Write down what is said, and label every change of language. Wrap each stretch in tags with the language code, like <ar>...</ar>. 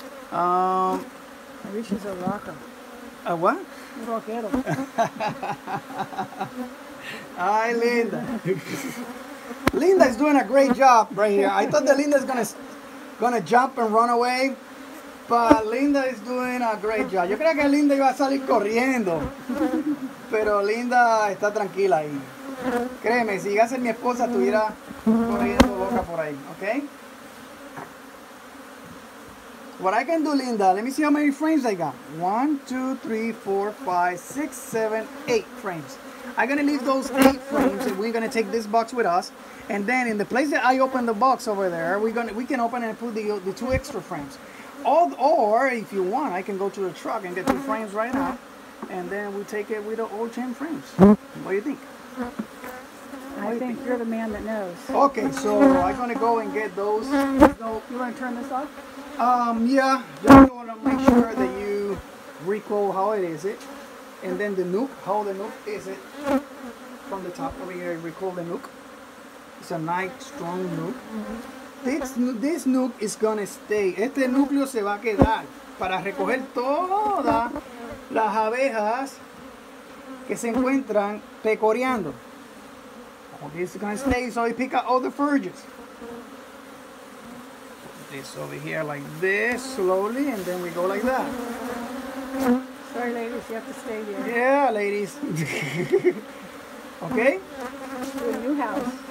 <en>I wish it's a rocker. A what?</en> <es>Rockero.</es> <en>Hi, Linda. Linda is doing a great job right here. I thought that Linda's gonna jump and run away. But Linda is doing a great job.</en> <es>Yo creía que Linda iba a salir corriendo. Pero Linda está tranquila ahí. Créeme, si llegase mi esposa, estuviera corriendo loca por ahí, ¿ok?</es> <en>What I can do, Linda, let me see how many frames I got. 1, 2, 3, 4, 5, 6, 7, 8 frames. I'm gonna leave those 8 frames and we're gonna take this box with us. And then in the place that I open the box over there, we can open and put the 2 extra frames. Or if you want, I can go to the truck and get 2 frames right now. And then we take it with the old 10 frames. What do you think? I think you're the man that knows. Okay, so I'm gonna go and get those. You wanna turn this off? Yeah, you want to make sure that you recall how it is it, and then the nook, how the nook is it from the top over here. Recall the nook. It's a nice strong nook. This nook is gonna stay.</en> <es>Este núcleo se va a quedar para recoger todas las abejas que se encuentran pecoreando.</es> <en>This is gonna stay, so you pick up all the forages. This over here like this slowly, and then we go like that. Sorry ladies, you have to stay here. Yeah ladies. Okay, the new house.</en>